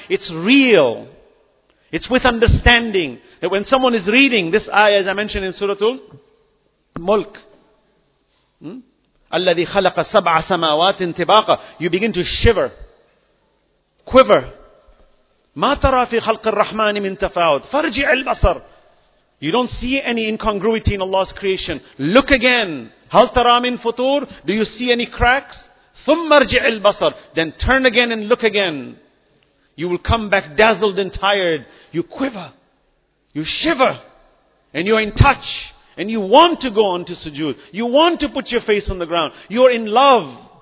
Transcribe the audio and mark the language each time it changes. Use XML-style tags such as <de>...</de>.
<en>It's real. It's with understanding that when someone is reading this ayah, as I mentioned in Suratul Mulk,</en> <ar>الَّذِي خَلَقَ سَبْعَ سَمَاوَاتٍ تِبَاقًا,</ar> <en>you begin to shiver, quiver.</en> <ar>مَا تَرَى فِي خَلْقِ الرَّحْمَانِ مِنْ تَفَاوُتٍ فَرْجِعِ الْبَصَرِ,</ar> <en>you don't see any incongruity in Allah's creation. Look again.</en> <ar>هَلْ تَرَى مِنْ فُطُورٍ,</ar> <en>do you see any cracks?</en> <ar>ثُمَّ ارْجِعِ الْبَصَرِ,</ar> <en>then turn again and look again. You will come back dazzled and tired. You quiver. You shiver. And you are in touch. And you want to go on to sujood. You want to put your face on the ground. You are in love.</en>